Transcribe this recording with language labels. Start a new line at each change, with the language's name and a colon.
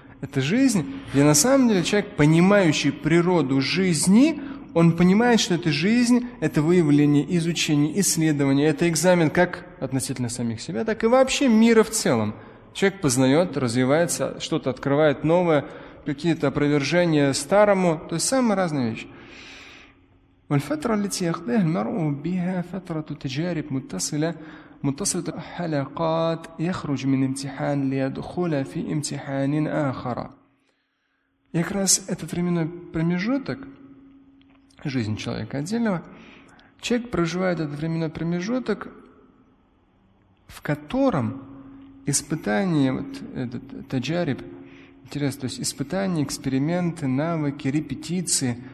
Russian: Это жизнь, где на самом деле человек, понимающий природу жизни, он понимает, что эта жизнь – это выявление, изучение, исследование, это экзамен как относительно самих себя, так и вообще мира в целом. Человек познает, развивается, что-то открывает новое, какие-то опровержения старому, то есть самые разные вещи.
Arabic: والفترة التي يقضيها المرء بها فترة تجارب متصلة متصلة حلقات يخرج من امتحان ليدخل في امتحان آخر.
Russian: И как раз этот временной промежуток жизни человека отдельного, человек проживает этот временной промежуток, в котором испытание, вот этот таджариб, Интересно, то есть испытания, эксперименты, навыки, репетиции.